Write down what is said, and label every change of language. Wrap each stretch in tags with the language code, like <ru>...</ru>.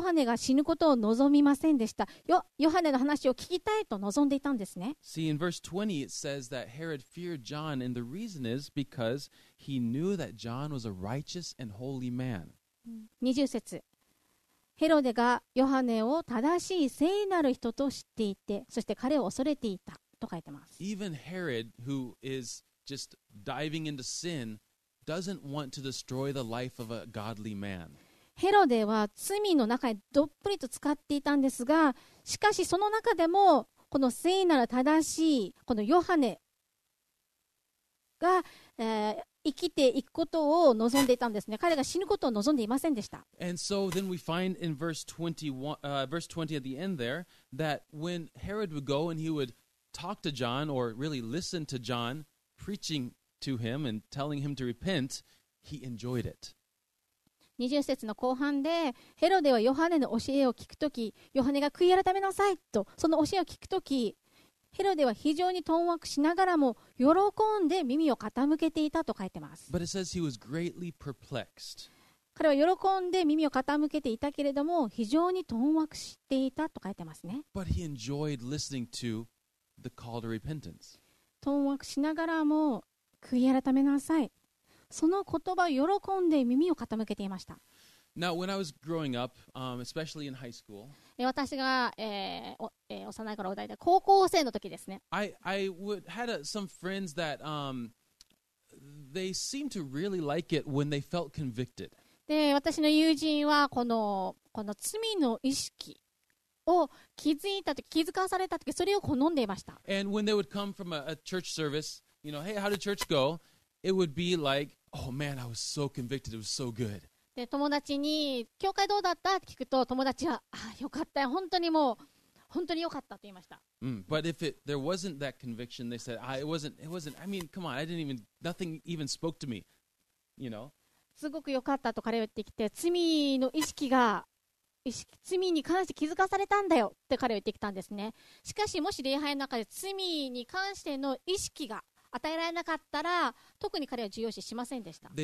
<ja>ハネが死ぬことを望みませんでした。ヨハネの話を聞きたいと望んでいたんですね。</ja> <en>See, in verse 20 it says that Herod feared John, and the reason is because he knew that John was a righteous and holy man.</en> <ja>20節。ヘロデがヨハネを正しい聖なる人と知っていて、そして彼を恐れていたと書いてます。</ja> <en>Even Herod, who is just diving into sin, doesn't want to destroy the life of a godly man.</en> <ja>ヘロデは罪の中にどっぷりと浸かっていたんですが、しかしその中でもこの聖なる正しいこのヨハネが、生きていくことを望んでいたんですね。彼が死ぬことを望んでいませんでした。</ja> <en>And so then we find in verse 20 at the end there that when Herod would go and he would talk to John or really listen to John preaching to him and telling him to repent, he enjoyed it.</en> <ja>20節の後半でヘロデはヨハネの教えを聞くとき、ヨハネが悔い改めなさいとその教えを聞くとき、ヘロデは非常に困惑しながらも喜んで耳を傾けていたと書いてます。</ja> <en>But it says he was greatly perplexed.</en> <ja>彼は喜んで耳を傾けていたけれども非常に困惑していたと書いてますね。</ja> <en>But he enjoyed listening to the call to repentance.</en> <ja>困惑しながらも悔い改めなさい、その言葉を喜んで耳を傾けていました。</ja> <en>Now when I was growing up, especially in high school,</en> <ja>私が、幼い頃、大体高校生の時ですね。</ja> <en>I had some friends that they seemed to really like it when they felt convicted.</en> <ja>で、私の友人はこの罪の意識を気づいた時、気づかされた時、それを好んでいました。</ja> <en>And when they would come from a church service, you know, hey, how did church go? It would be like, oh man, I was so convicted. It was so good.</en> <ja>で友達に教会どうだったって聞くと友達は良かったよ、本当にもう本当に良かったと言いました。</ja> <en>But if it, there wasn't that conviction, they said, it wasn't. I mean, come on, I didn't even nothing even spoke to me, you know.</en> <ja>すごく良かったと彼は言ってきて、罪の意識が罪に関して気づかされたんだよって彼は言ってきたんですね。しかしもし礼拝の中で罪に関しての意識が与えられなかったら、特に彼は重要視しませんでした。</ja>